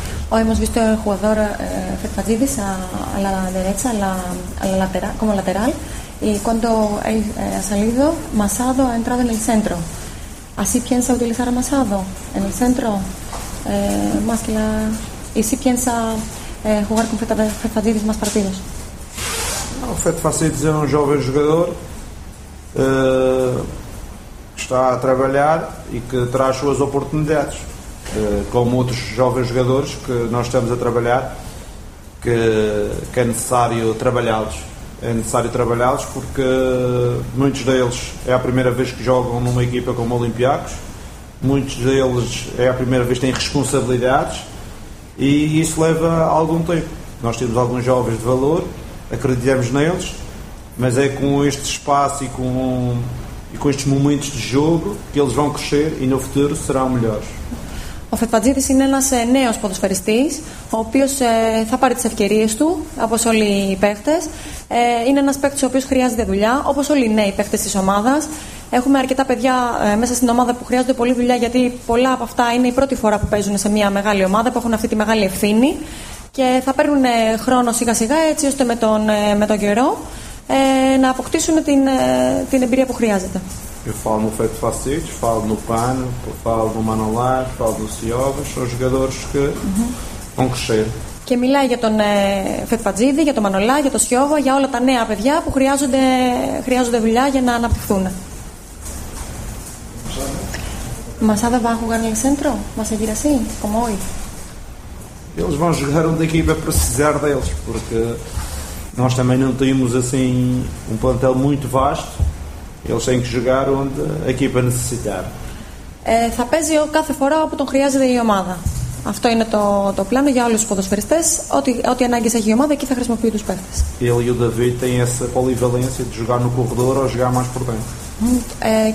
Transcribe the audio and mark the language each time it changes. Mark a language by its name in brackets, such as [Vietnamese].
[Spanish] Hoy hemos visto al jugador Fetfadidis a la derecha, a la lateral, como lateral, y cuando él ha salido, Masado ha entrado en el centro. ¿Así piensa utilizar a Masado en el centro? Más que la... ¿Y si piensa jugar con Fetfadidis más partidos? No, Fetfadidis es un joven jugador. [Portuguese] Está a trabalhar e que terá as suas oportunidades, como outros jovens jogadores que nós estamos a trabalhar, que é necessário trabalhá-los porque muitos deles é a primeira vez que jogam numa equipa como o Olympiacos, muitos deles é a primeira vez que têm responsabilidades e isso leva algum tempo. Nós temos alguns jovens de valor, acreditamos neles, mas é com este espaço e com estes momentos de jogo que eles vão crescer e no futuro serão melhores. [Greek] O Fetfadidis είναι ένας νέος ποδοσφαιριστής, ο οποίος θα πάρει τις ευκαιρίες του, όπως όλοι οι παίχτες. Είναι ένας παίχτης ο οποίος χρειάζεται δουλειά, όπως όλοι οι νέοι παίχτες της ομάδας. Έχουμε αρκετά παιδιά μέσα στην ομάδα που χρειάζονται πολύ δουλειά, γιατί πολλά από αυτά είναι η πρώτη φορά που παίζουν σε μια μεγάλη ομάδα, που έχουν αυτή τη μεγάλη ευθύνη και θα παίρνουν χρόνο σιγά σιγά, έτσι ώστε με τον καιρό να αποκτήσουν την εμπειρία που χρειάζεται. [Portuguese] Eu falo no Fetfadidis, falo no Pano, falo no Manolás, falo no Ciobas, são jogadores que vão crescer. [Greek] Και μιλάει για τον Fetfadidis, για τον Manolá, για τον Ciobas, για όλα τα νέα παιδιά που χρειάζονται δουλειά για να αναπτυχθούν. [Spanish] Masada va a jugar en el centro? ¿Vas a seguir así, como hoy? [Portuguese] Eles vão jogar onde a equipa precisar deles, porque nós também não temos assim plantel muito vasto. Eles têm que jogar onde a equipa necessitar. [Greek] Θα παίζει κάθε φορά όπου τον χρειάζεται η ομάδα. Αυτό είναι το πλάνο για όλους τους ποδοσφαιριστές. Ό,τι ανάγκες έχει η ομάδα, εκεί θα χρησιμοποιεί τους παίχτες. [Portuguese] Ele e o David têm essa polivalência de jogar no corredor ou jogar mais por dentro.